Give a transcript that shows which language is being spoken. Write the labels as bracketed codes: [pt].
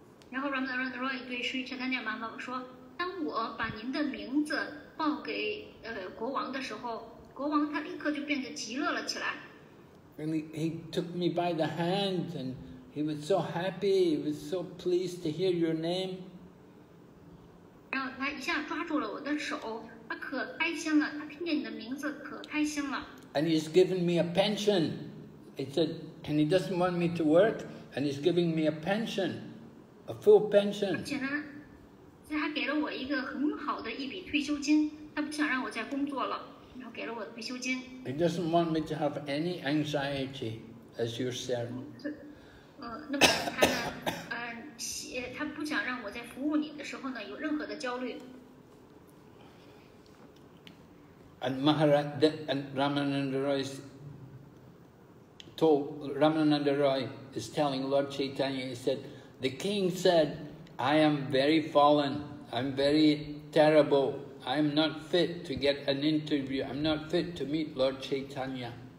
[zh] 然后 Ramananda Rai 对 Sri Chaitanya Mahaprabhu 说，当我把您的名字报给国王的时候，国王他立刻就变得极乐了起来。 [en] And he took me by the hand and. He was so happy. He was so pleased to hear your name. [zh] 然后他一下抓住了我的手，他可开心了。他听见你的名字可开心了。 [en] And he's giving me a pension. He said, and he doesn't want me to work. And he's giving me a pension, a full pension. [zh] 而且呢，他还给了我一个很好的一笔退休金。他不想让我再工作了。给了我的退休金。 [en] He doesn't want me to have any anxiety as your servant. [zh] 那么他呢，他不想让我在服务你的时候呢有任何的焦虑。 [en] And Maharaj and Ramananda Roy is telling Lord Chaitanya, he said, the king said, I am very fallen, I'm very terrible, I'm not fit to get an interview, I'm not fit to meet Lord Chaitanya.